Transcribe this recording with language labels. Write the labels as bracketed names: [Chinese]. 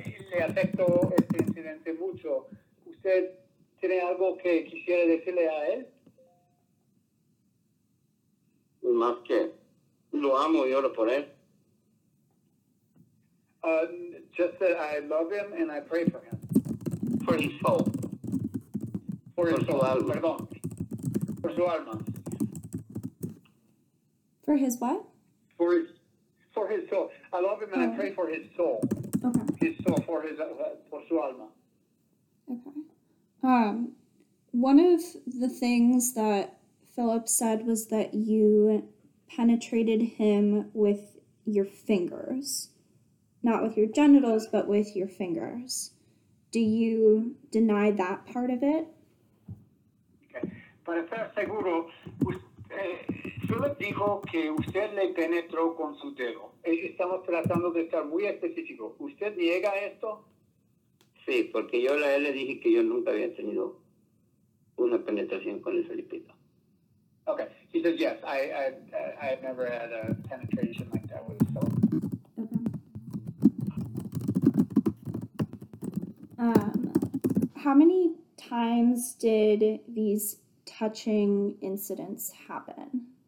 [Spanish] Le afectó este incidente mucho. ¿Usted tiene algo que quisiera decirle a él? Más que lo amo y oro por él. [English] Just that I love him and I pray for him. For his soul. For his soul. [Spanish] Perdón. [English] For [Spanish] su alma. [English] For his what? For his soul. I love him and I pray for his soul. Okay. His soul, for [Spanish] su alma. [English] Okay. One of the things that Philip said was that you penetrated him with your fingers. Not with your genitals, but with your fingers. Do you deny that part of it? Okay. [Spanish] Para estar seguro, Philip dijo que usted le penetró con su dedo. Estamos tratando de estar muy específicos. ¿Usted niega esto? Sí, porque yo a él le dije que yo nunca había tenido una penetración con el Felipito. [English] Okay, he says yes. I have never had a penetration like that with Philip. How many times did these touching incidents happen?